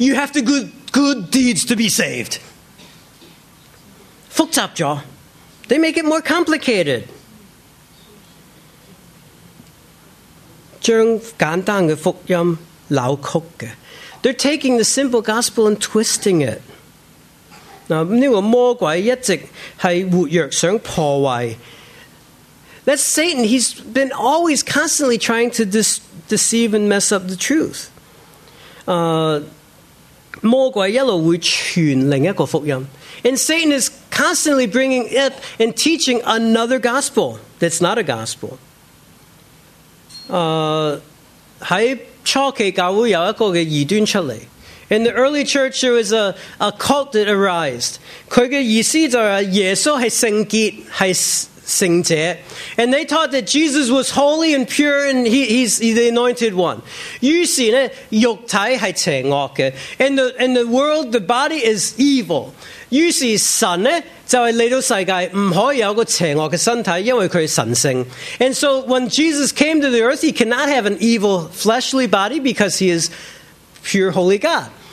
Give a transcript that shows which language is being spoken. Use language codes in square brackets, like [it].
[en] You have to do good deeds to be saved. [zh] 複雜了. [en] They make it more complicated. [zh] 将简单的福音扭曲的. [en] They're taking the simple gospel and twisting it. [zh] 这个魔鬼一直是活跃想破坏. [en] That's Satan. He's been always constantly trying to deceive and mess up the truth. [zh] 魔鬼一直会传另一个福音. [en] And Satan is constantly bringing up and teaching another gospel that's not a gospel. [zh] 在初期教会有一个异端出来. [en] In the early church, there was a cult that arose. [zh] 他的意思就是耶稣是圣洁是圣者. [en] And they taught that Jesus was holy and pure and he's the anointed one. [zh] 于是肉体是邪恶的. [en] And the world, the body is evil. [zh] 于是神呢, 就是来到世界,不可以有个邪恶的身体,因为他是神圣. [en] And so when Jesus came to the earth, he cannot have an evil fleshly body because he is pure holy God.